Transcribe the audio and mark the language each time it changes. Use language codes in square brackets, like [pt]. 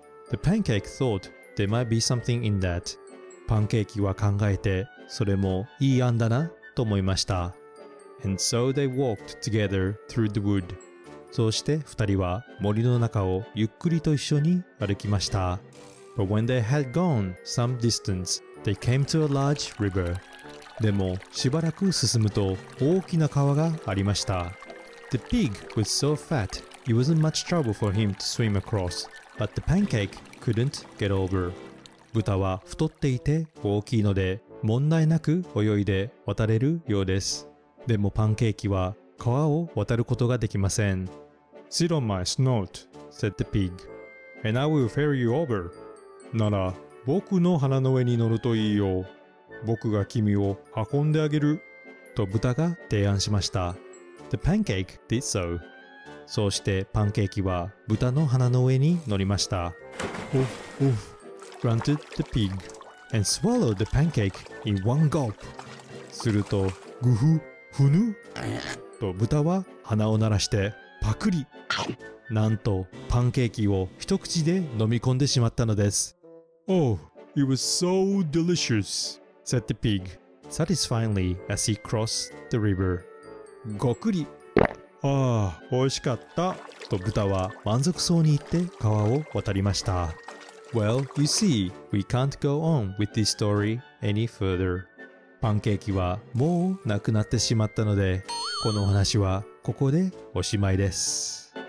[en] The pancake thought there might be something in that. [ja] パンケーキは考えて、それもいい案だな、と思いました。 [en] And so they walked together through the wood. [ja] そうして二人は森の中をゆっくりと一緒に歩きました。 [en] But when they had gone some distance, they came to a large river. [ja] でもしばらく進むと大きな川がありました。 [en] The pig was so fat, it wasn't much trouble for him to swim across. But the pancake couldn't get over. [ja] 豚は太っていて大きいので問題なく泳いで渡れるようです。でもパンケーキは川を渡ることができません。 [en] Sit on my snout, said the pig, and I will ferry you over. [ja] なら、僕の鼻の上に乗るといいよ。僕が君を運んであげる。と豚が提案しました。 [en] The pancake did so. [ja] そうしてパンケーキは豚の鼻の上に乗りました。 [en] Oof, oof, grunted the pig, and swallowed the pancake in one gulp. [ja] すると、グフ、フヌと豚は鼻を鳴らしてパクリ。なんとパンケーキを一口で飲み込んでしまったのです。 [en] Oh, it was so delicious, said the pig, satisfyingly as he crossed the river. [ja] ごくり。ああ、美味しかった。と豚は満足そうに言って川を渡りました。 [en] Well, you see, we can't go on with this story any further. [ja] パンケーキはもうなくなってしまったので、このお話はここでおしまいです。